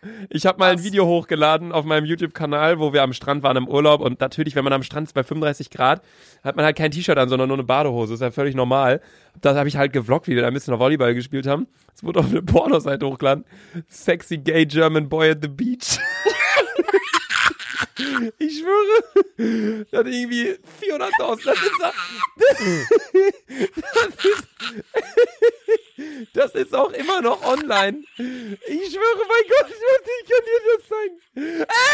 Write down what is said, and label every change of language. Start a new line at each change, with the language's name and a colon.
German: Ich habe mal ein Video hochgeladen auf meinem YouTube-Kanal, wo wir am Strand waren im Urlaub. Und natürlich, wenn man am Strand ist bei 35 Grad, hat man halt kein T-Shirt an, sondern nur eine Badehose. Ist ja völlig normal. Da habe ich halt gevloggt, wie wir da ein bisschen Volleyball gespielt haben. Es wurde auf eine Pornoseite hochgeladen.
English: Sexy gay German boy at the beach.
German: Ich schwöre, das hat irgendwie 400.000. Das ist auch immer noch online. Ich schwöre, mein Gott, ich kann dir das zeigen.